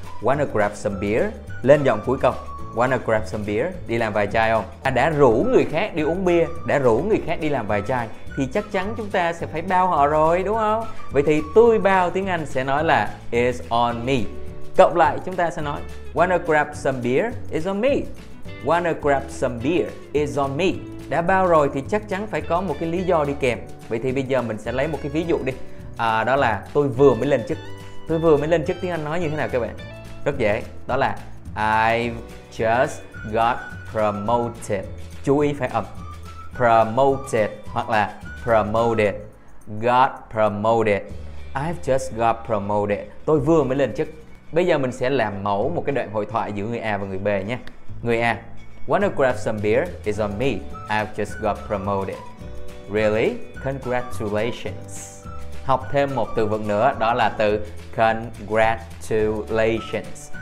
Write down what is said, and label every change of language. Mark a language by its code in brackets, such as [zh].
[en] Wanna grab some beer. [vi] Lên giọng cuối câu. Wanna grab some beer. Đi làm vài chai không? À, đã rủ người khác đi uống bia, đã rủ người khác đi làm vài chai thì chắc chắn chúng ta sẽ phải bao họ rồi, đúng không? Vậy thì tôi bao tiếng Anh sẽ nói là [en] it's on me. [vi] Cộng lại chúng ta sẽ nói [en] wanna grab some beer, it's on me. Wanna grab some beer, it's on me. [vi] Đã bao rồi thì chắc chắn phải có một cái lý do đi kèm. Vậy thì bây giờ mình sẽ lấy một cái ví dụ đi. À, đó là tôi vừa mới lên chức. Tôi vừa mới lên chức tiếng Anh nói như thế nào các bạn? Rất dễ. Đó là [en] I've just got promoted. [vi] Chú ý phải âm. [en] Promoted [vi] hoặc là [en] promoted. Got promoted. I've just got promoted. [vi] Tôi vừa mới lên chức. Bây giờ mình sẽ làm mẫu một cái đoạn hội thoại giữa người A và người B nhé. [en] Người A: Wanna grab some beer? It's on me. I've just got promoted. Really? Congratulations. [vi] Học thêm một từ vựng nữa, đó là từ congratulations.